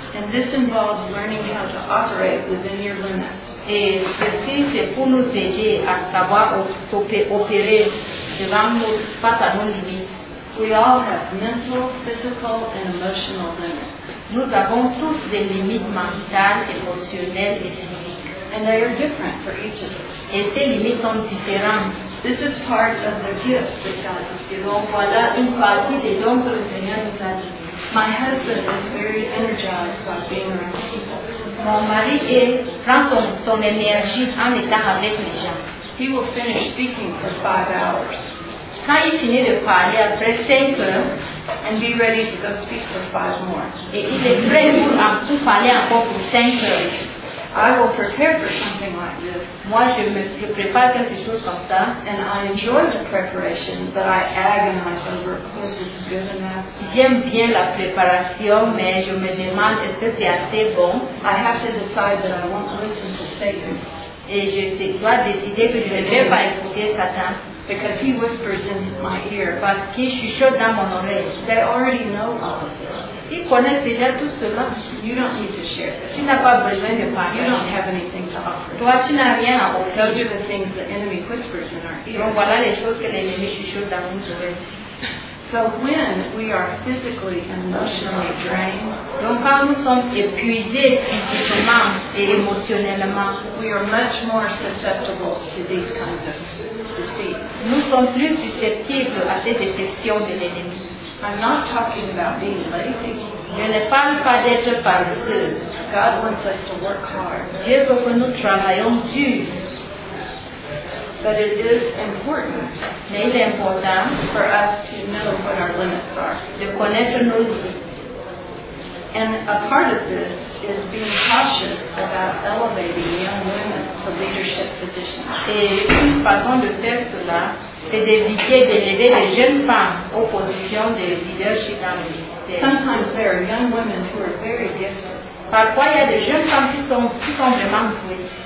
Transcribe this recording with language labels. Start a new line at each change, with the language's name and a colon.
English: And this involves learning how to operate within your limits.
French: Et ceci, c'est pour nous aider à savoir opérer devant nous, face à nos limites.
English: We all have mental, physical, and emotional limits.
French: Nous avons tous des limites mentales, émotionnelles et physiques.
English: And they are different for each of us.
French: Et ces limites sont différentes.
English: This is part of the gift that God has given.
French: Donc voilà une partie des dons que le Seigneur nous a donné.
English: My husband is very energized by being around people.
French: Mon mari prend son énergie en étant avec les gens.
English: He will finish speaking for 5 hours.
French: Quand il finit de parler après 5 heures,
English: and be ready to go speak for 5 more.
French: Et il est prêt pour parler encore pour 5 heures.
English: I will prepare for something like this.
French: Moi, je prépare quelque chose comme ça.
English: And I enjoy the preparation, but I agonize over if it's good enough.
French: J'aime bien la préparation, mais je me demande est-ce que c'est assez bon.
English: I have to decide that I won't listen to Satan.
French: Et je dois décider que je ne vais pas écouter Satan.
English: Because he whispers in my ear.
French: Parce qu'il chuchote dans mon oreille.
English: They already know all of this.
French: Ils connaissent déjà tout cela.
English: You don't need to share this.
French: Tu n'as pas besoin de parler.
English: You don't have anything to offer.
French: Toi, tu n'as rien à offrir.
English: Those are the things the enemy whispers in our ears.
French: Donc voilà les choses que l'ennemi chuchote dans nos oreilles.
English: So when we are physically and emotionally drained,
French: donc quand nous sommes épuisés physiquement et émotionnellement,
English: we are much more susceptible to these kinds of deceit.
French: Nous sommes plus susceptibles à ces déceptions de l'ennemi.
English: I'm not talking about being lazy.
French: Je ne parle pas d'être paresseux.
English: God wants us to work hard.
French: Dieu veut que nous travaillions dur.
English: But it is important.
French: Mais il est important
English: for us to know what our limits are.
French: De connaître nos limites.
English: And a part of this is being cautious about elevating young women to leadership positions.
French: Et une façon de faire cela, c'est d'éviter d'élever les jeunes femmes aux positions de leadership dans le ministère.
English: Sometimes there are young women who are very gifted.
French: Parfois, il y a des jeunes femmes qui sont vraiment douées.